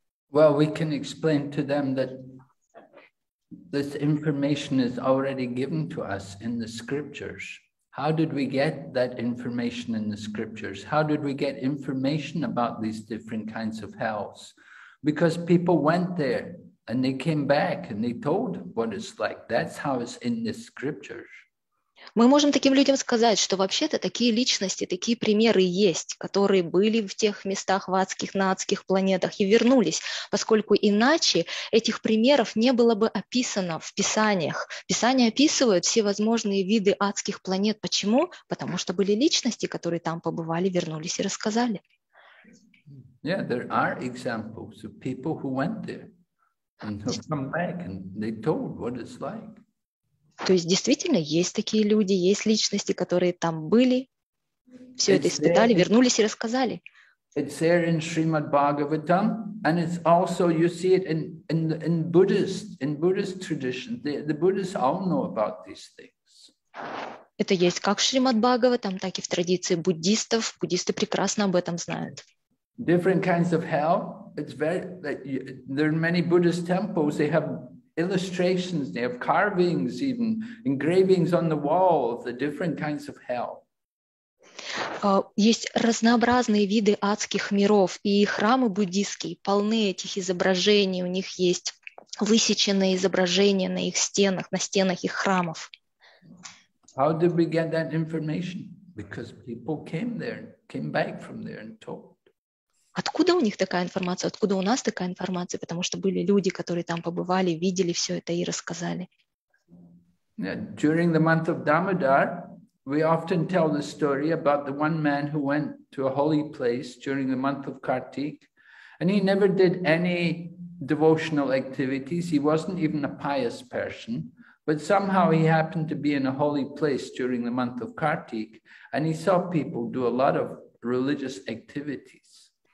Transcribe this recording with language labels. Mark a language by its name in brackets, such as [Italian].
[English] Well, we can explain to them that this information is already given to us in the scriptures. How did we get that information in the scriptures? How did we get information about these different kinds of hells? Because people went there and they came back and they told what it's like. That's how it's in the scriptures. [Russian] Мы можем таким людям сказать, что вообще-то такие личности, такие примеры есть, которые были в тех местах, в адских, на адских планетах и вернулись, поскольку иначе этих примеров не было бы описано в писаниях. Писания описывают все возможные виды адских планет. Почему? Потому что были личности, которые там побывали, вернулись и рассказали. [English] Yeah, there are examples of people who went there and who come back and they told what it's like. [Russian] То есть действительно есть такие люди, есть личности, которые там были, все это испытали, вернулись и рассказали. [English] It's there in Srimad Bhagavatam, and it's also, you see it in Buddhist tradition. The Buddhists all know about these things. [Russian] Это есть как в Шримад Бхагаватам, так и в традиции буддистов. Буддисты прекрасно об этом знают. [English] Different kinds of hell. It's very, there are many Buddhist temples, they have illustrations, they have carvings, even engravings on the wall of the different kinds of hell. [Russian] Есть разнообразные виды адских миров, и храмы буддийские полны этих изображений. У них есть высеченные изображения на их стенах, на стенах их храмов. [English] How did we get that information? Because people came there, came back from there and told. [Russian] Откуда у них такая информация? Откуда у нас такая информация? Потому что были люди, которые там побывали, видели все это и рассказали. [English] During the month of Damodar, we often tell the story about the one man who went to a holy place during the month of Kartik, and he never did any devotional activities. He wasn't even a pious person, But somehow he happened to be in a holy place during the month of Kartik, and he saw people do a lot of religious activities.